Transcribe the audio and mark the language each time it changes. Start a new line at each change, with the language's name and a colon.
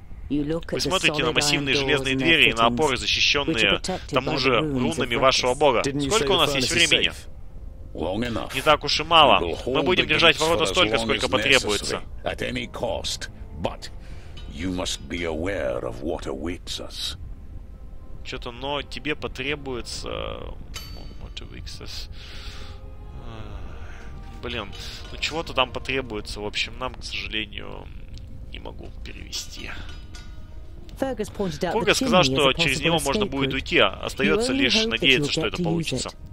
Russian: Вы смотрите на массивные железные двери и на опоры, защищенные тому же рунами вашего бога. Сколько у нас есть времени? Не так уж и мало. Мы будем держать ворота столько, сколько потребуется.
English: At any cost. But you must be aware of what awaits us.
Russian: Что-то, но тебе потребуется...
English: What awaits us?
Russian: Блин, ну чего-то там потребуется. В общем, нам, к сожалению, не могу перевести. Фергус сказал, что через него можно будет уйти. Остается лишь надеяться, что это получится.